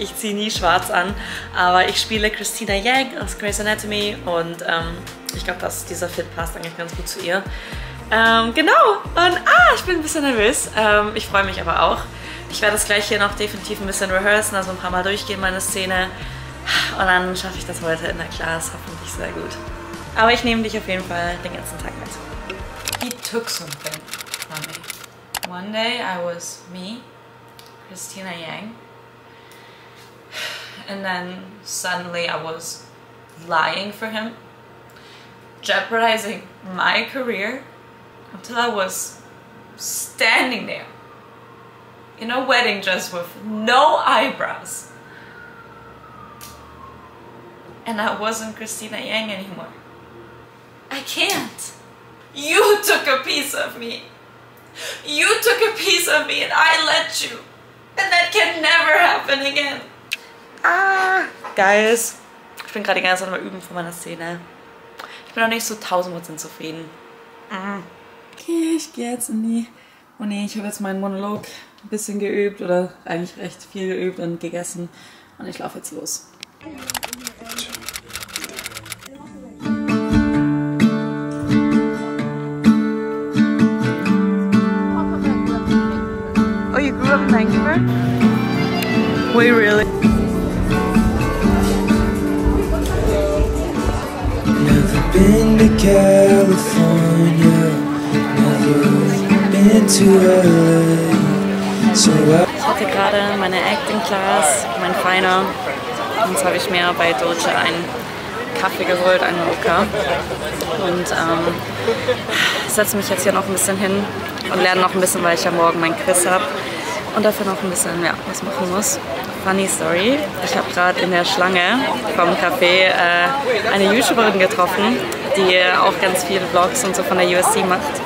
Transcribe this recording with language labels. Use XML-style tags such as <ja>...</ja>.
<de>Ich ziehe nie schwarz an. Aber ich spiele Christina Yang aus Grey's Anatomy und ich glaube, dass dieser Fit passt eigentlich ganz gut zu ihr. Genau. Und ich bin ein bisschen nervös. Ich freue mich aber auch. Ich werde das gleich hier noch definitiv ein bisschen rehearsen, also ein paar Mal durchgehen, meine Szene. Und dann schaffe ich das heute in der Class, hoffentlich sehr gut. Aber ich nehme dich auf jeden Fall den ganzen Tag mit.</de> <en>He took something from me. One day I was me, Christina Yang. And then suddenly I was lying for him. Jeopardizing my career. Until I was standing there. In a wedding dress with no eyebrows. And I wasn't Christina Yang anymore. I can't. You took a piece of me. You took a piece of me and I let you. And that can never happen again.</en> <de>Guys, ich bin gerade ganz normal üben von meiner Szene. Ich bin noch nicht so 1000% zufrieden. Okay, ich gehe jetzt in die Uni. Ich habe jetzt meinen Monolog ein bisschen geübt oder eigentlich recht viel geübt und gegessen. Und ich laufe jetzt los.</de> <en>Wait, really? Never been to California, never been to LA. So</en> <de>ich hatte gerade meine Acting Class, mein Final. Jetzt habe ich mir bei Dolce einen Kaffee geholt, einen Mocha. Und setze mich jetzt hier noch ein bisschen hin und lerne noch ein bisschen, weil ich ja morgen mein Quiz habe. Und dafür noch ein bisschen, ja, was machen muss.</de> <en>Funny Story,</en> <de>ich habe gerade in der Schlange vom Café eine YouTuberin getroffen, die auch ganz viele Vlogs und so von der USC macht.</de>